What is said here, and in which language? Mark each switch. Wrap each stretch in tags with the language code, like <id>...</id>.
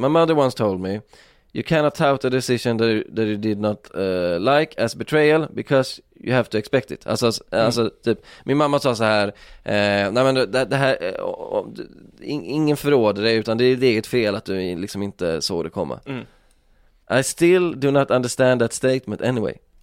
<en>My mother once told me, you cannot tout a decision that you did not like as betrayal because you have to expect it.</en> <sv>Alltså, typ, min mamma sa så här, nej, men det här ingen förråder dig, utan det är ditt eget fel att du liksom inte såg det komma.</sv> <en>I still do not understand that statement anyway.</en>